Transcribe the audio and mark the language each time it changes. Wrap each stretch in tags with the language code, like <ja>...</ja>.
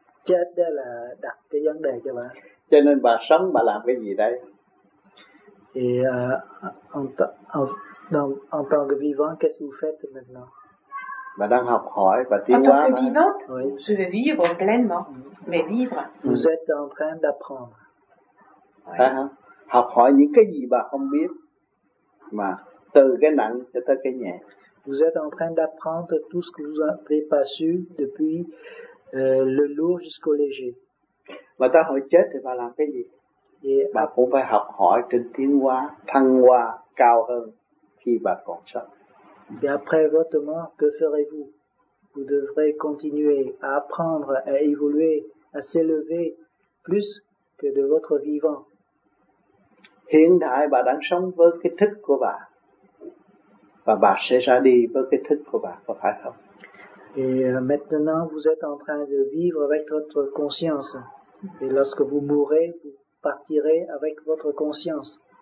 <vi>Chết đó là đặt cái vấn đề cho bà. Cho nên bà sống bà làm cái gì đây?</vi> <fr>Thì en tant que vivant, qu'est-ce que vous faites maintenant?</fr> <vi>Bà đang học hỏi và tiến</vi> <fr>hóa. En tant que vivant, je vais vivre pleinement, mais vivre. Vous êtes en train d'apprendre.</fr> <vi>Học hỏi những cái gì bà không biết, mà từ cái nặng cho tới cái nhẹ.</vi> <fr>Vous êtes en train d'apprendre tout ce que vous avez pas su depuis. Le lourd jusqu'au léger.</fr> <vi>Mà ta hỏi chết thì bà làm cái gì? Bà cũng phải học hỏi trên tiến hóa, thăng hoa cao hơn khi bà còn sống.</vi> <fr>Et après votre mort, que ferez-vous? Vous devrez continuer à apprendre, à évoluer, à s'élever plus que de votre vivant.</fr> <vi>Hiện tại bà đang sống với cái thức của bà. Và bà sẽ ra đi với cái thức của bà, có phải không?</vi> <fr>Et maintenant, vous êtes en train de vivre avec votre conscience. Et lorsque vous mourrez, vous partirez avec votre conscience.</fr>